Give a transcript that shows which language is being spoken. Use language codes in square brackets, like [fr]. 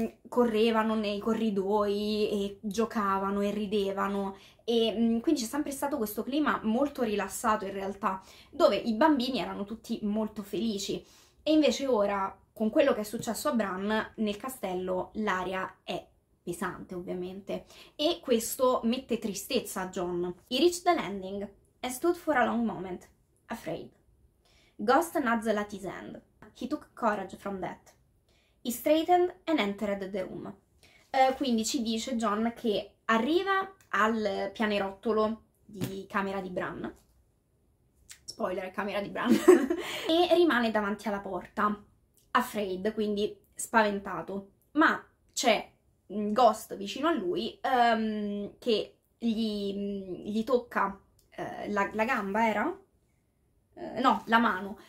[it] correvano nei corridoi e giocavano e ridevano e quindi c'è sempre stato questo clima molto rilassato in realtà, dove i bambini erano tutti molto felici e invece ora, con quello che è successo a Bran, nel castello l'aria è pesante ovviamente e questo mette tristezza a John. [en] He reached the landing and stood for a long moment, afraid. Ghost nuzzled at his hand. He took courage from that. he straightened and entered the room. [it] Quindi ci dice John che arriva al pianerottolo di camera di Bran. Spoiler, camera di Bran. E rimane davanti alla porta, afraid, quindi spaventato. Ma c'è un ghost vicino a lui che gli tocca la gamba, era? No, la mano.